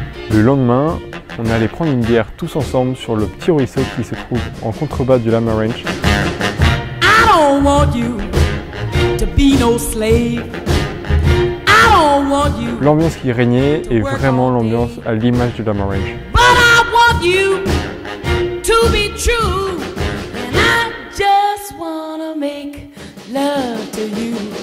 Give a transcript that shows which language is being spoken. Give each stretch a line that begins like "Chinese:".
French: Le lendemain, on allait prendre une bière tous ensemble sur le petit ruisseau qui se trouve en contrebas du Lama Ranch.
English: I don't want you to be no slave. I don't want you.
French: L'ambiance qui régnait est vraiment l'ambiance à l'image du Lama Ranch.
English: But I want you to be true. And I just wanna make love to you.